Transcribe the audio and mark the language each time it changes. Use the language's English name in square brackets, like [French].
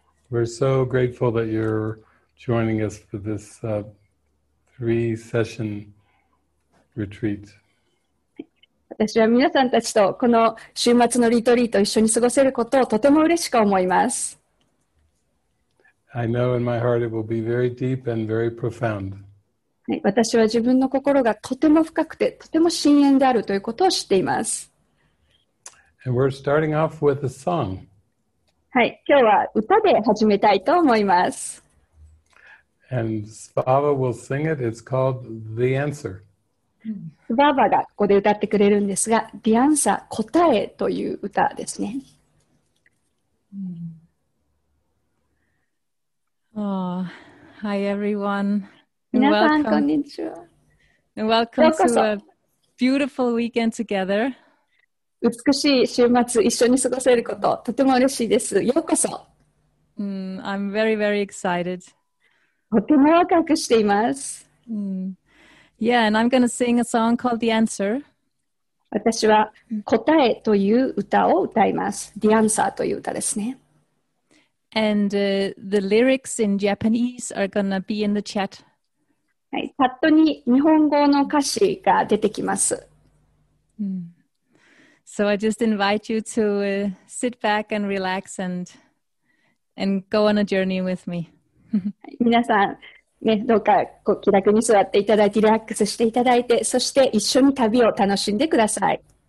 [English] We're so grateful that you're joining us for this three-session retreat. [Japanese] 私は皆さんたちとこの週末のリトリート一緒に過ごせることをとても嬉しく思います。 [English] I know in my heart it will be very deep and very profound. [Japanese] 私は自分の心がとても深くてとても深遠であるということを知っています。 [English] And we're starting off with a song. [Japanese] はい、今日は歌で始めたいと思います。 [English] And Svava will sing it. It's called The Answer. [Japanese] ババがここで歌ってくれるんですが、The Answer 答えという歌ですね。 [English] Oh, hi everyone. [Japanese] 皆さん、こんにちは。 [English] And welcome [Japanese] ようことそ。 [English] a beautiful weekend together. [Japanese] 美しい週末、一緒に過ごせること、とても嬉しいです。ようこそ。 [English] I'm very, very excited. [Japanese] とてもワクワクしています。 [English] Yeah, and I'm going to sing a song called The Answer. [Japanese] 私は答えという歌を歌います。 The Answer という歌ですね。 [English] And the lyrics in Japanese are going to be in the chat. [Japanese] はい、パッドに日本語の歌詞が出てきます。 [English] So I just invite you to sit back and relax and go on a journey with me. [Japanese] 皆さん、ね、どうかこう気楽に座っていただいて、リラックスしていただいて、そして一緒に旅を楽しんでください。